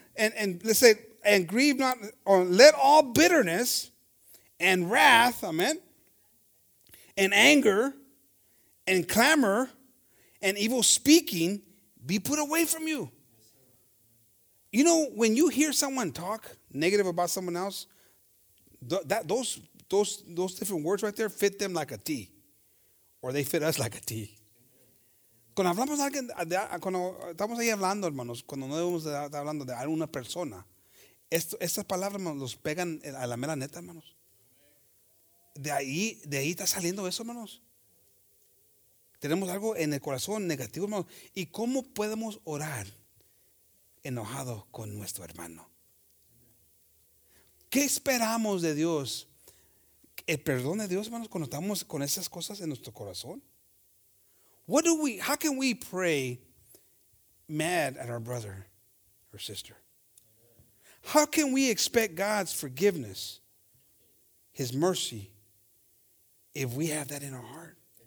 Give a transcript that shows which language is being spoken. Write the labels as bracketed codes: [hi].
[en] And let's say, and grieve not, or let all bitterness and wrath, amen, and anger and clamor and evil speaking be put away from you. You know, when you hear someone talk negative about someone else, those different words right there fit them like a T, or they fit us like a T. [es] Cuando hablamos de alguien, cuando estamos ahí hablando, hermanos, cuando no debemos estar hablando de alguna persona, estas palabras los pegan a la mera neta, hermanos. De ahí está saliendo eso, hermanos. Tenemos algo en el corazón negativo, hermanos. ¿Y cómo podemos orar enojado con nuestro hermano? ¿Qué esperamos de Dios? El perdón de Dios, hermanos, cuando estamos con esas cosas en nuestro corazón. [en] How can we pray mad at our brother or sister? How can we expect God's forgiveness, his mercy, if we have that in our heart?